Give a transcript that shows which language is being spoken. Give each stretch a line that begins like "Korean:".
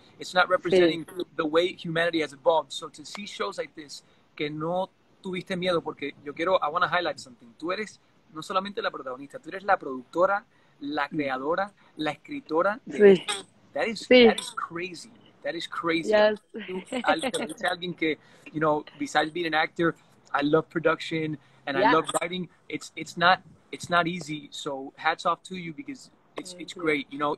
English: It's not representing the way humanity has evolved. So to see shows like this,
Spanish: que no tuviste miedo, porque
English: I want to highlight something.
Spanish: Tú eres no solamente la protagonista, tú eres la productora, la creadora, la escritora.
English: That is crazy. Yes.
Spanish: Tú, alguien que,
English: you know, besides being an actor, I love production and I love writing. It's not easy. So hats off to you because it's great, you know.